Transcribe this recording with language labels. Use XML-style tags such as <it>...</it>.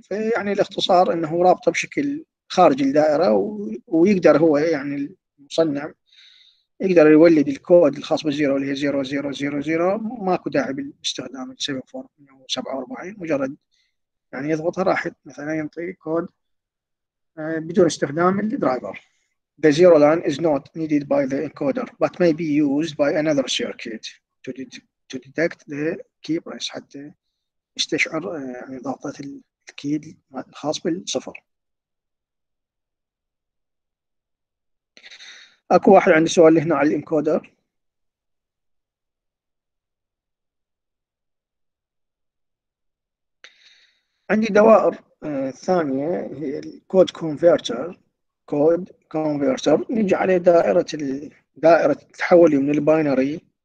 <ar>فيعني الاختصار انه رابطه بشكل خارج الدائره، ويقدر هو يعني المصنع يقدر يولد الكود الخاص بالزيرو اللي هي 0000، ماكو داعي باستخدام السيفن فور 47، مجرد يعني يضغطها راح مثلا ينطي كود بدون استخدام الدرايفر.</ar> <en>The zero line is not needed by the encoder, but may be used by another circuit to detect the key press,</en> <ar>حتى يستشعر يعني ضغطة الكي الخاص بالصفر. أكو واحد عنده سؤال هنا على الإنكودر؟ عندي دوائر ثانية هي الكود كونفرتر، كود كونفرتر نجي عليه دائرة التحول من الباينري،</ar>